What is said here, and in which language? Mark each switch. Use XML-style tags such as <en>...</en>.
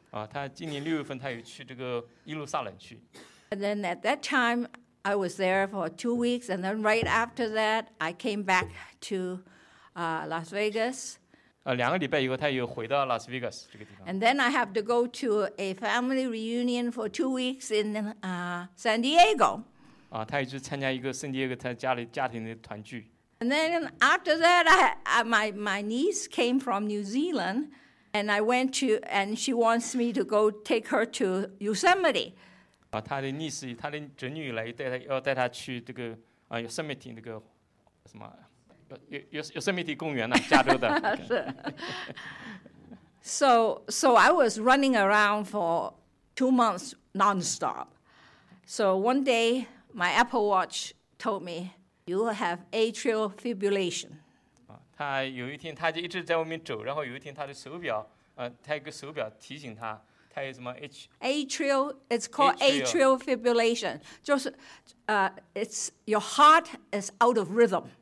<zh>他今年六月份他有去这个耶路撒冷去。</zh> <en>And then at that time, I was there for 2 weeks, and then right after that, I came back to Las Vegas.</en> <zh>两个礼拜以后，他又回到 Las Vegas 这个地方。</zh> <en>And then I have to go to a family reunion for 2 weeks in San Diego.</en> <zh>他又去参加一个圣地亚哥他家里家庭的团聚。</zh> <en>And then after that, my niece came from New Zealand, and I went to, and she wants me to go take her to Yosemite.</en> <zh>她的 niece, 她的侄女来带她，要带她去这个Yosemite 那个什么Yosemite 公园呢？加州的。</zh> <en>So I was running around for 2 months nonstop. So one day, my Apple Watch told me. You have atrial fibrillation.</en> <zh>他有一天他就一直在外面走，然后有一天他的手表，他一个手表提醒他，他有什么</zh> <en>atrial? It's called atrial fibrillation.</en> <zh>就是，</zh> <en>it's your heart is out of rhythm.</en>